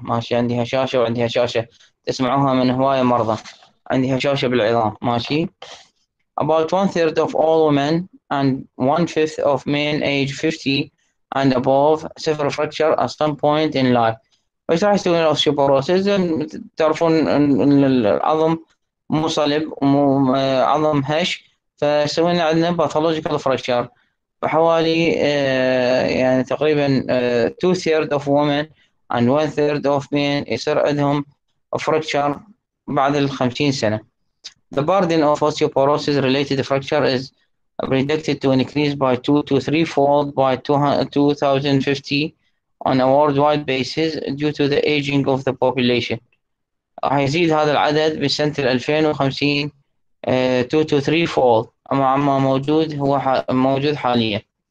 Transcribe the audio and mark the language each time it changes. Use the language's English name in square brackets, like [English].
[Arabic] ماشي، عندي هشاشه وعندي هشاشه تسمعوها من هوايه مرضى، عندي هشاشه بالعظام. [English] ماشي، about one third of all women and one fifth of men age 50 and above suffer fracture at some point in life. [Arabic] وش راح يسوي الاوستيوبوروسيس؟ تعرفون ان العظم مو صلب ومو عظم هش، فسوي لنا عندنا باثولوجيكال فراكشر. فحوالي يعني تقريبا [English] two third of women and one third of men [Arabic] يصير عندهم فراكشر بعد الخمسين سنة. [English] The burden of osteoporosis related fracture is predicted to increase by 2 to 3 fold by 2050 on a worldwide basis due to the aging of the population. [Arabic] راح يزيد هذا العدد بسنة 2050 [English] 2 to 3 fold [Arabic] مما موجود هو موجود حاليا.